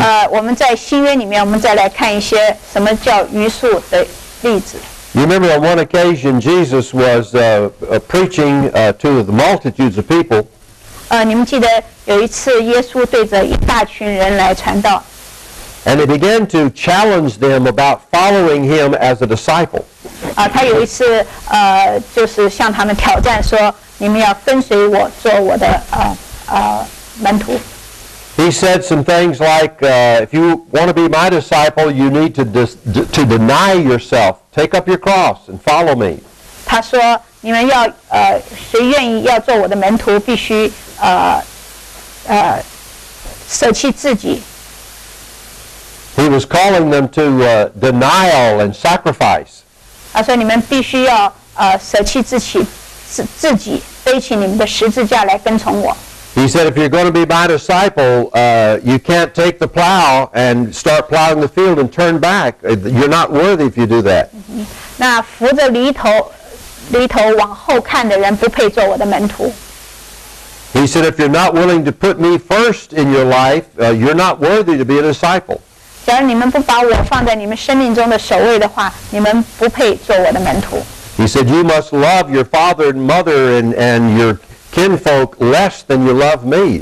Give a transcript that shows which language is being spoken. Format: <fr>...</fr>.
<zh>我们在新约里面，我们再来看一些什么叫余数的例子。</zh> <en>You remember on one occasion Jesus was preaching to the multitudes of people.</en> <zh>你们记得有一次耶稣对着一大群人来传道。</zh> <en>And he began to challenge them about following him as a disciple.</en> <zh>他有一次就是向他们挑战说，你们要跟随我做我的门徒。</zh> <en>He said some things like, if you want to be my disciple, you need to deny yourself. Take up your cross and follow me.</en> <zh>他说你们要谁愿意要做我的门徒必须舍弃自己。</zh> <en>He was calling them to denial and sacrifice.</en> <zh>他说你们必须要舍弃自己背起你们的十字架来跟从我。</zh> <en>He said, if you're going to be my disciple, you can't take the plow and start plowing the field and turn back. You're not worthy if you do that.</en> <zh>那扶着犁头往后看的人不配做我的门徒。</zh> <en>He said, if you're not willing to put me first in your life, you're not worthy to be a disciple. He said, you must love your father and mother and your kinfolk less than you love me.</en>